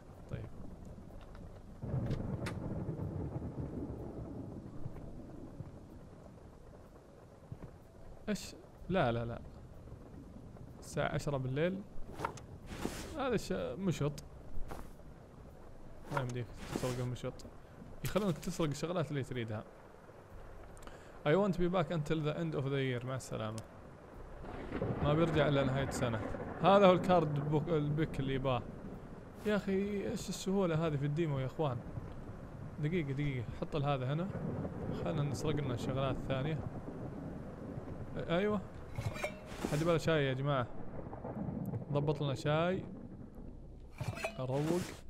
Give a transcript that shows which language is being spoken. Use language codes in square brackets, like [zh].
[ar] طيب ايش لا لا لا الساعة 10 بالليل هذا مشط ما يمديك تسرق المشط يخلونك تسرق الشغلات اللي تريدها. [en] I want to be back until the end of the year. [ar] مع السلامة. ما بيرجع إلا نهاية السنة. هذا هو الكارد البك اللي باه. يا أخي إيش السهولة هذه في الديمو يا إخوان. دقيقة دقيقة حط هذا هنا. خلنا نسرق لنا الشغلات الثانية. أيوة. حد يبغى شاي يا جماعة. ضبط لنا شاي. أروق.